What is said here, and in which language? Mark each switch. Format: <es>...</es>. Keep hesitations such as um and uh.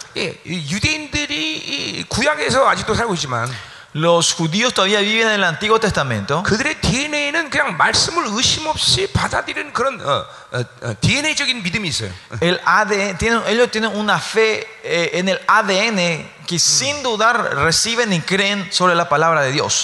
<ko>y 유대인들이, 구약에서 아직도 살고 있지만.</ko> <es>Los judíos todavía viven en el Antiguo Testamento.</es> <ko>그들의 DNA는 그냥 말씀을 의심 없이 받아들이는 그런 어, 어, 어, DNA적인 믿음이 있어요.</ko> <es>El ADN, tienen, ellos tienen una fe eh, en el ADN que 음. sin dudar reciben y creen sobre la palabra de Dios.</es>